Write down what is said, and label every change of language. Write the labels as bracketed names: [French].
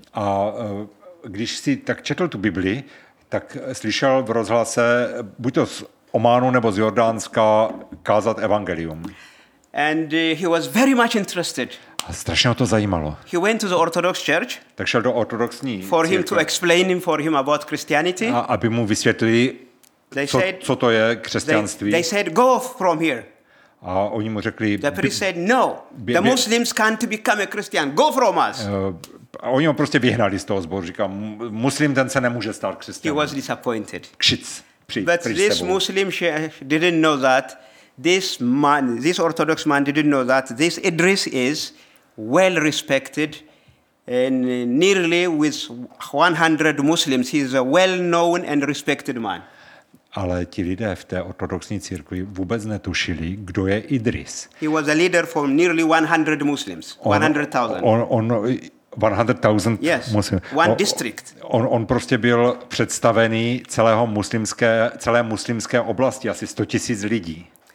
[Czech] A když si tak četl tu Bibli, tak slyšel v rozhlase, buď to Ománu nebo z Jordánska kázat evangelium. [English] And he was very much interested. [Czech] A strašně ho to zajímalo. [English] He went to the Orthodox Church. [Czech] Tak šel do ortodoxní. [English] For him to explain him for him about Christianity. [Czech] A aby mu vysvětlili, co to je křesťanství. [English] They said go off from here. [Czech] A oni mu řekli. [English] The priest said no. The Muslims can't become a Christian. Go from us. [Czech] A oni ho prostě vyhnali z toho sboru. Říká, muslim ten se nemůže stát křesťanem. [English] He was disappointed. Kšic. But this Muslim sheikh didn't know that this man, this Orthodox man didn't know that this Idris is well respected and nearly with 100 Muslims. He's a well-known and respected man. [Czech] Ale ti lidé v té ortodoxní církvi vůbec netušili, kdo je Idris. [English] He was a leader for nearly 100 Muslims, 100,000. 100,000 muslim. Yes, one district. [Czech] On prostě byl představený celé muslimské oblasti, asi 100 000 lidí.